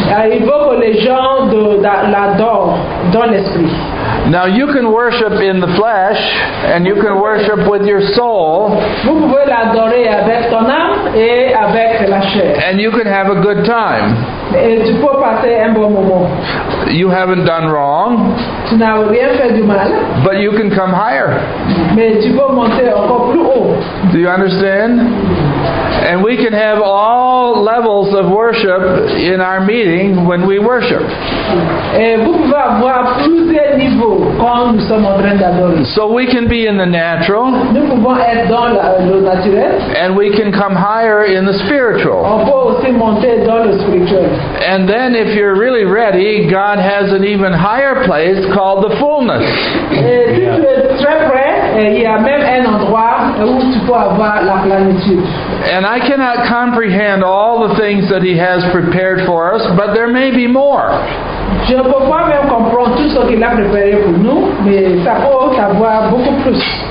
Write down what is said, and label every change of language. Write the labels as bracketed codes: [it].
[fr] Il veut que les gens l'adorent dans l'esprit. [en] Now you can worship in the flesh, and you can worship with your soul. [fr] Vous pouvez l'adorer avec ton âme et avec la chair. [en] And you can have a good time. [fr] Et tu peux passer un bon moment. [en] You haven't done wrong. [fr] Tu n'as rien fait du mal. [en] But you can come higher. [fr] Mais tu peux monter encore plus haut. [en] Do you understand? And we can have all levels of worship in our meeting when we worship. [fr] Et vous pouvez avoir plusieurs niveaux quand nous sommes en train d'adorer. [en] So we can be in the natural. [fr] Nous pouvons être dans le naturel. [en] And we can come higher in the spiritual. [fr] On peut aussi monter dans le spirituel. [en] And then if you're really ready, God has an even higher place called the fullness. [fr] Et si tu es très prêt, il y a même un endroit où tu peux avoir la plénitude. [en] And I cannot comprehend all the things that he has prepared for us, but there may be more. [fr] Je ne peux pas même comprendre tout ce qu'il a préparé pour nous, mais ça peut avoir beaucoup plus.